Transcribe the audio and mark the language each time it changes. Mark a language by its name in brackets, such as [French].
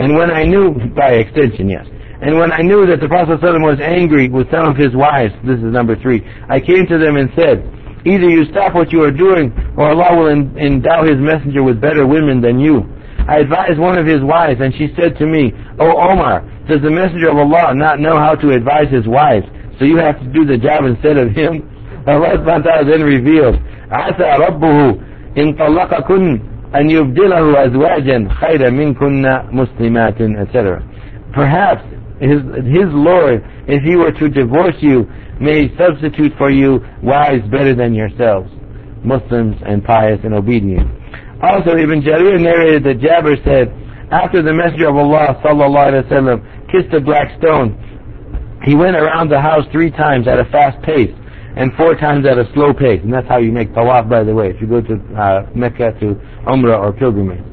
[English] And when I knew, by extension, yes. And when I knew that the Prophet ﷺ was angry with some of his wives, this is number three, I came to them and said, either you stop what you are doing, or Allah will endow his messenger with better women than you. I advised one of his wives, and she said to me, O Omar, does the messenger of Allah not know how to advise his wives, so you have to do the job instead of him? Allah subhanahu wa ta'ala then revealed, [Arabic] عَسَى رَبُّهُ إِن طَلَّقَكُنْ أَن يُبْدِلَهُ أَزْوَاجًا خَيْرًا مِنْكُنَّ مُسْلِمَاتٍ, etc. [English] Perhaps his Lord, if he were to divorce you, may substitute for you wives better than yourselves, Muslims and pious and obedient. Also, Ibn Jarir narrated that Jabir said, after the Messenger of Allah sallallahu alaihi wasallam kissed the black stone, he went around the house three times at a fast pace and four times at a slow pace. And that's how you make tawaf, by the way, if you go to Mecca to Umrah or pilgrimage.